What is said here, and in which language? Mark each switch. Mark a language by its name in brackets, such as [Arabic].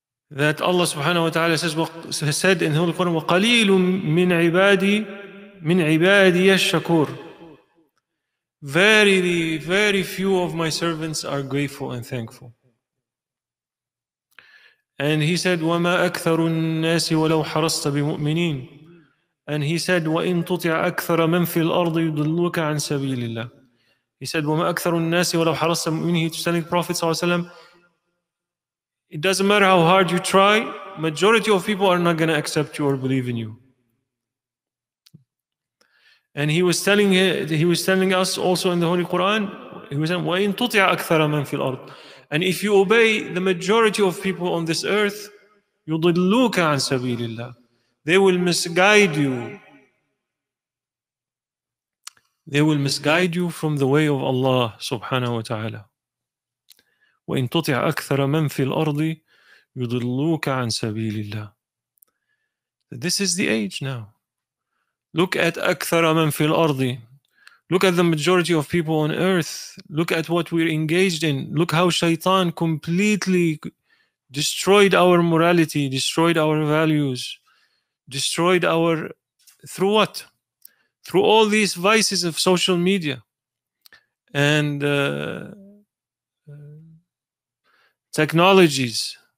[English] That Allah subhanahu wa ta'ala said in the Holy Quran, [Arabic] وَقَلِيلٌ مِنْ عِبَادِيَ الشَّكُورِ. [English] Verily, very few of my servants are grateful and thankful. And he said, [Arabic] وَمَا أَكْثَرُ النَّاسِ وَلَوْ حَرَصْتَ بِمُؤْمِنِينَ. [English] And he said, [Arabic] وَإِنْ تُطِعْ أَكْثَرَ مَنْ فِي الْأَرْضِ يُضِلُّكَ عَنْ سَبِيلِ اللَّهِ. [English] He said, [Arabic] وَمَا أَكْثَرُ النَّاسِ وَلَوْ حَرَصْتَ مُؤْمِنِهِ. [English] He was telling Prophet ﷺ, it doesn't matter how hard you try, majority of people are not going to accept you or believe in you. And he was telling us also in the Holy Quran, he was saying, [Arabic] وَإِنْ تُطِعْ أَكْثَرَ مَنْ فِي الْأَرْضِ. [English] And if you obey the majority of people on this earth, [Arabic] يُضِلُّكَ عَنْ سَبِيلِ اللَّهِ. [English] They will misguide you. They will misguide you from the way of Allah subhanahu wa ta'ala. [Arabic] وَإِن تُطِعْ أَكْثَرَ مَنْ فِي الْأَرْضِ يُضِلُّوكَ عَنْ سَبِيلِ اللَّهِ. [English] This is the age now. Look at [Arabic] أَكْثَرَ مَنْ فِي الْأَرْضِ. [English] Look at the majority of people on earth. Look at what we're engaged in. Look how shaitan completely destroyed our morality, destroyed our values. Destroyed our, through what? Through all these vices of social media and technologies.